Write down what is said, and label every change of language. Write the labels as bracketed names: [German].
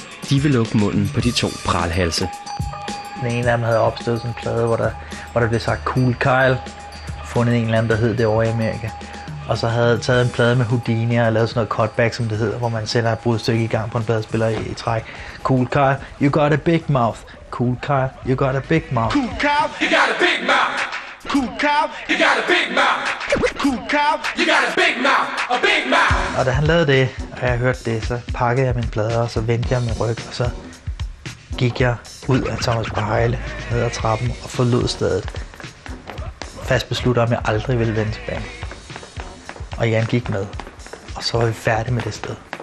[Danish] De vil lukke munden på de to pralhalse. Den ene af dem havde opstået sådan en plade, hvor der blev sagt Cool Kyle, fundet en eller anden, der hed det over i Amerika. Og så havde taget en plade med Houdini og lavet sådan noget cutback, som det hedder, hvor man sender et brudstykke i gang på en pladespiller i træk. [English] Cool Kyle, you got a big mouth. Cool Kyle, you got a big mouth. Cool Kyle, you got a big mouth. Cool Kyle, you got a big mouth. Cool Kyle, you got a big mouth. A big mouth. [Danish] Og da han lavede det, og jeg hørte det, så pakkede jeg min plade, og så vendte jeg min ryg, og så gik jeg ud af Thomas Pejle, ned ad trappen og forlod stedet. Fast besluttede, om jeg aldrig ville vende tilbage. Og Jan gik med, og så var vi færdige med det sted.